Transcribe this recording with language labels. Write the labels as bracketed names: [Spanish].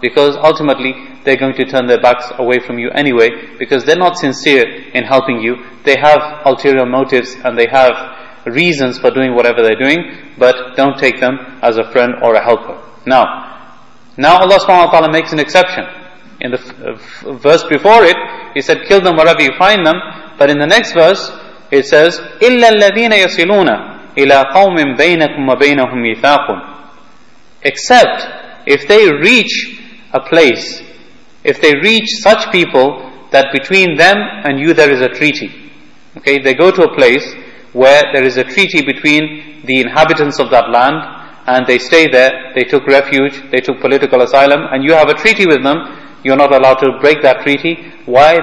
[English] Because ultimately, they're going to turn their backs away from you anyway, because they're not sincere in helping you. They have ulterior motives and they have reasons for doing whatever they're doing, but don't take them as a friend or a helper. Now Allah subhanahu wa ta'ala makes an exception. In the verse before it, He said, kill them wherever you find them. But in the next verse, it says, [Arabic] إِلَّا الَّذِينَ يَصِلُونَ إِلَى قَوْمٍ بَيْنَكُمْ وَبَيْنَهُمْ مِيثَاقٌ. [English] Except if they reach a place, if they reach such people that between them and you there is a treaty. Okay, they go to a place where there is a treaty between the inhabitants of that land, and they stay there, they took refuge, they took political asylum, and you have a treaty with them, you're not allowed to break that treaty. Why?